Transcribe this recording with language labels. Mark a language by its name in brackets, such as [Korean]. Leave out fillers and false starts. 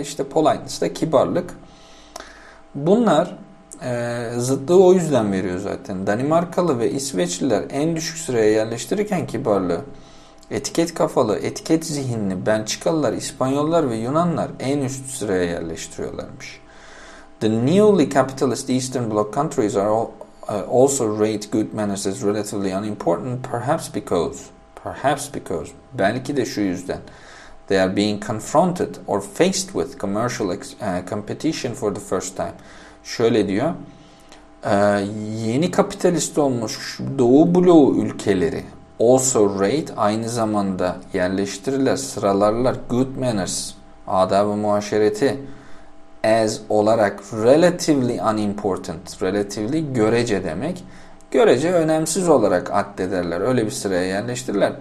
[Turkish] İşte politeness de kibarlık. Bunlar... zıtlığı o yüzden veriyor zaten. Danimarkalı ve İsveçliler en düşük sıraya yerleştirirken kibarlığı, etiket kafalı, etiket zihinli Belçikalılar, İspanyollar ve Yunanlar en üst sıraya yerleştiriyorlarmış. [English] The newly capitalist Eastern Bloc countries are also rate good manners as relatively unimportant, perhaps because [Turkish] belki de şu yüzden, [English] they are being confronted or faced with commercial competition for the first time. [Turkish] Şöyle diyor, yeni kapitalist olmuş Doğu bloğu ülkeleri [English] also rate, [Turkish] aynı zamanda yerleştirirler, sıralarlar [English] good manners, [Turkish] adab-ı muaşereti as olarak [English] relatively unimportant, [Turkish] relatively görece demek, görece önemsiz olarak addederler, öyle bir sıraya yerleştirirler.